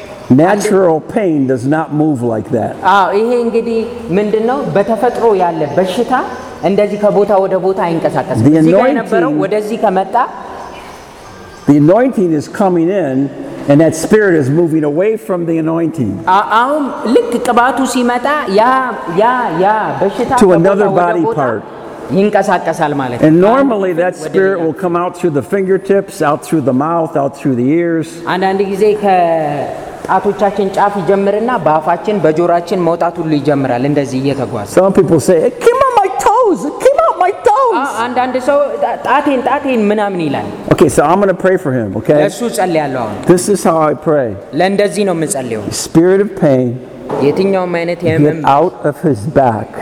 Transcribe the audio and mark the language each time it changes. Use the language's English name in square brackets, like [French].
[English] Natural pain does not move like that. [Amharic] አዎ ይሄ እንግዲህ ምንድነው በተፈጥሮ ያለ በሽታ እንደዚህ ከቦታ ወደ ቦታ አይንቀሳቀስም. እዚህ ጋር የነበረው ወደዚህ ከመጣ [English] the anointing is coming in and that spirit is moving away from the anointing. [Amharic] አሁን ልክ ቅባቱ ሲመጣ ያ በሽታ [English] to another body part. [Amharic] ይንቀሳቀሳል ማለት ነው. [English] And normally that spirit will come out through the fingertips, out through the mouth, out through the ears. [Amharic] አንዳንድ ጊዜ ከጣቶቻችን ጫፍ ይጀምርና በአፋችን በጆራችን መውጣት ሁሉ ይጀምራል እንደዚህ እየተጓዘ. [English] Some people say, "It came out my toes. It came out my toes." [Amharic] አንዳንድ ሰው ጣቴን ምናምን ይላል. [English] Okay, so I'm going to pray for him, okay? [Amharic] እሱ ጸልያለሁ. [English] This is how I pray. [Amharic] ለእንደዚህ ነው የምጸልየው. [English] Spirit of pain. [Amharic] የትኛው ማለት የምም [English] get out of his back.